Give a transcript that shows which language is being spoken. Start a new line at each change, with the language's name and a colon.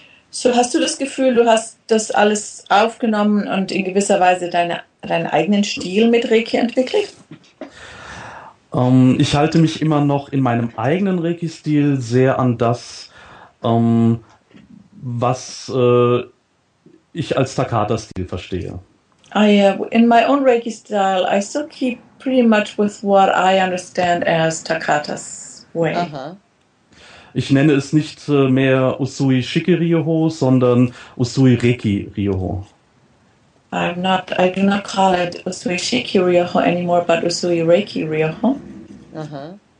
German: So hast du das Gefühl, du hast das alles aufgenommen und in gewisser Weise deinen eigenen Stil mit Reiki entwickelt? Ich halte mich immer noch in meinem eigenen Reiki-Stil sehr an das, was ich als Takata-Stil verstehe.
English: In my own Reiki-Style, I still keep pretty much with what I understand as Takata's way. Uh-huh.
German: Ich nenne es nicht mehr Usui Shiki Ryoho, sondern Usui Reiki Ryoho.
English: I do not call it Usui Shiki Ryoho anymore, but Usui Reiki Ryoho. Uh-huh.